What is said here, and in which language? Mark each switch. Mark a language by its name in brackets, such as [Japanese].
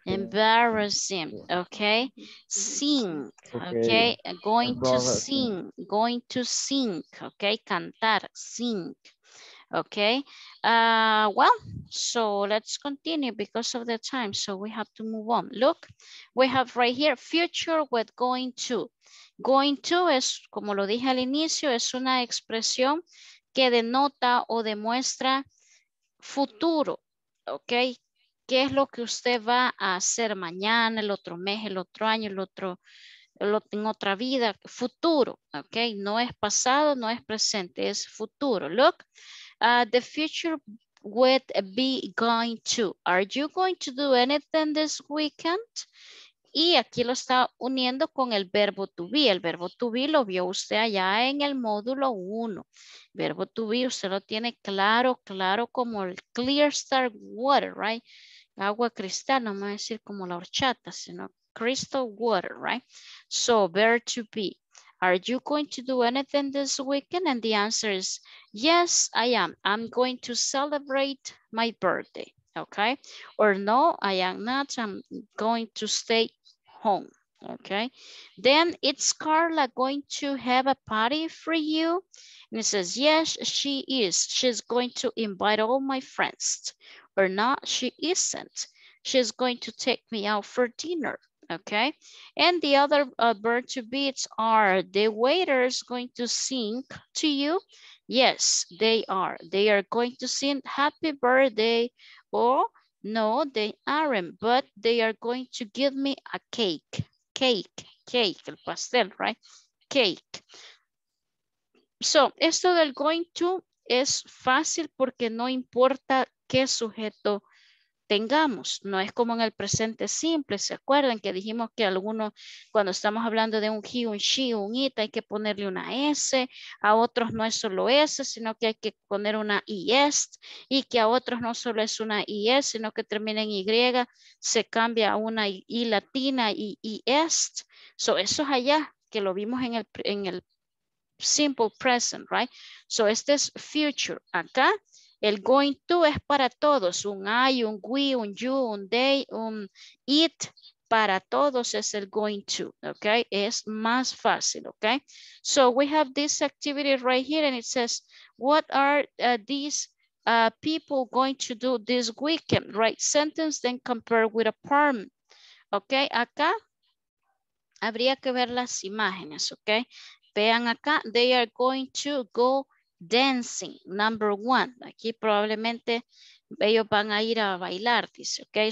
[English] Embarrassing. Okay. Sing. Okay. Going to sing. Going to sing. Okay. Cantar. Sing. Okay. Well, so let's continue because of the time. So we have to move on. Look, we have right here future with going to. [Spanish] Going to es, como lo dije al inicio, es una expresión que denota o demuestra futuro, ¿ok? ¿Qué es lo que usted va a hacer mañana, el otro mes, el otro año, en otra vida? Futuro, ¿ok? No es pasado, no es presente, es futuro. [English] Look, the future would be going to. Are you going to do anything this weekend? [Spanish] Y aquí lo está uniendo con el verbo to be. El verbo to be lo vio usted allá en el módulo 1. Verbo to be, usted lo tiene claro, claro, como el [English] clear star water, right? [Spanish] Agua cristal, no me voy a decir como la horchata, sino [English] crystal water, right? So, verb to be. Are you going to do anything this weekend? And the answer is, yes, I am. I'm going to celebrate my birthday. Okay, or no, I am not. I'm going to stay home. Okay, then it's Carla going to have a party for you? And it says, yes, she is. She's going to invite all my friends. Or not, she isn't. She's going to take me out for dinner. Okay, and the other verb to be, it's are the waiters going to sing to you? Yes, they are. They are going to sing happy birthday. Or no, they aren't, but they are going to give me a cake. Cake, cake, el pastel, right? Cake. [Spanish] So, esto del going to es fácil porque no importa qué sujeto tengamos. No es como en el presente simple. ¿Se acuerdan que dijimos que algunos, cuando estamos hablando de un he, un she, un it, hay que ponerle una S? A otros no es solo S, sino que hay que poner una IS. Y que a otros no solo es una IS, sino que termina en Y, se cambia a una I latina y IS. So, eso es allá, que lo vimos en el simple present, right? So, este es future. Acá, el going to es para todos, un I, un we, un you, un they, un it, para todos es el going to, ok, es más fácil, ok. [English] So we have this activity right here and it says, What are these people going to do this weekend? Write sentence, then compare with a poem. [Spanish] Ok, acá habría que ver las imágenes, ok. Vean acá, [English] they are going to go dancing, number one. [Spanish] Aquí probablemente ellos van a ir a bailar, dice, ok.